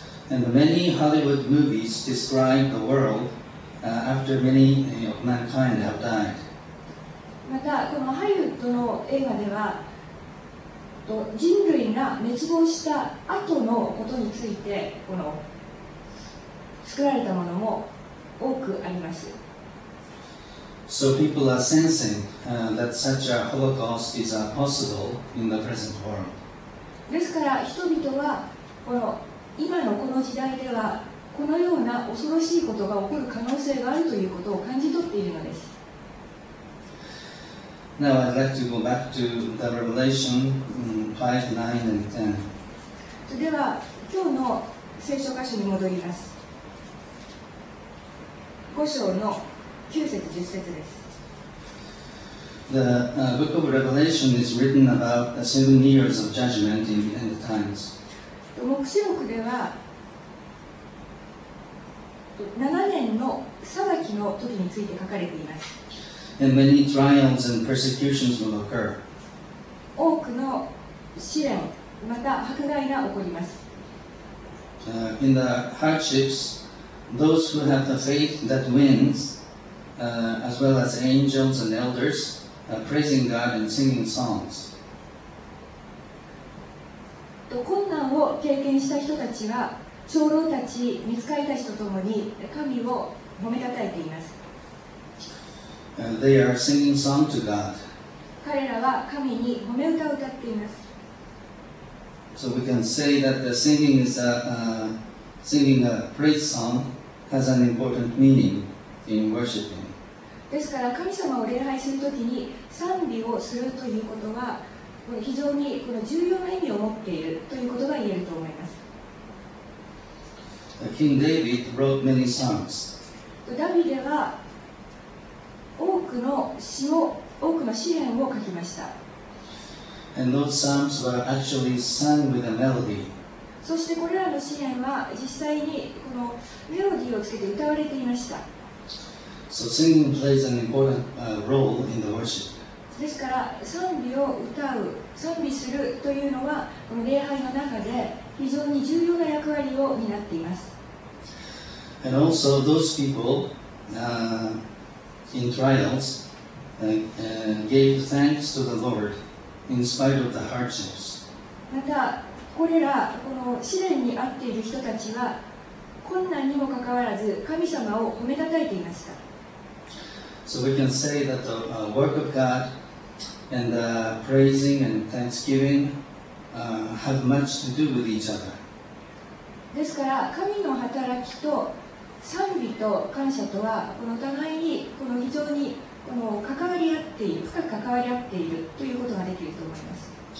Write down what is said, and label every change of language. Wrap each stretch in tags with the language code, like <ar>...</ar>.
<en>And many Hollywood movies describe the world after many of mankind have died.</en> <ja>またこのハリウッドの映画では、人類が滅亡した後のことについてこの作られたものも多くあります。</ja> <en>So people are sensing that such a Holocaust is possible in the present world.</en> <ja>ですから人々はこの今のこの時代ではこのような恐ろしいことが起こる可能性があるということを感じ取っているのです。</ja> <en>Now I'd like to go back to the Revelation 5, 9, and 10.</en> <ja>では今日の聖書箇所に戻ります。 5章の9節10節です。</ja> <en>The book of Revelation is written about the 7 years of judgment in the end times.</en> <ja>黙示録では7年の裁きの時について書かれています。</ja> <en>And many trials and persecutions will occur.</en> <ja>多くの試練また迫害が起こります。</ja> <en>In the hardships, those who have the faith that wins, as well as angels and elders, praising God and singing songs.</en> <ja>困難を経験した人たちは長老たち、見つかりた人ともに神を褒めたたえています。</ja> <en>They are singing song to God.</en> <ja>彼らは神に褒め歌を歌っています。</ja> <en>So we can say that the singing is a, singing a praise song has an important meaning in worshiping.</en> <ja>ですから神様を礼拝するときに賛美をするということは非常にこの重要な意味を持っているということが言えると思います。</ja> <en>King David wrote many songs.</en> <ja>ダビデは多くの詩を、多くの詩編を書きました。</ja> <en>And those songs were actually sung with a melody.</en> <ja>そしてこれらの詩編は実際にこのメロディーをつけて歌われていました。</ja> <en>So singing plays an important role in the worship.</en> <ja>ですから賛美を歌う、賛美するというのはこの礼拝の中で非常に重要な役割を担っています。</ja> <en>And also those people in trials gave thanks to the Lord in spite of the hardships.</en> <ja>またこれらこの試練に遭っている人たちは困難にもかかわらず神様を褒めたたえていました。</ja> <en>So we can say that the work of GodAnd praising and thanksgiving have much to do with each other.</en> <ja>ですから神の働きと賛美と感謝とはこの互いにこの非常にこの関わり合っている深く関わり合っているということができると思います。</ja>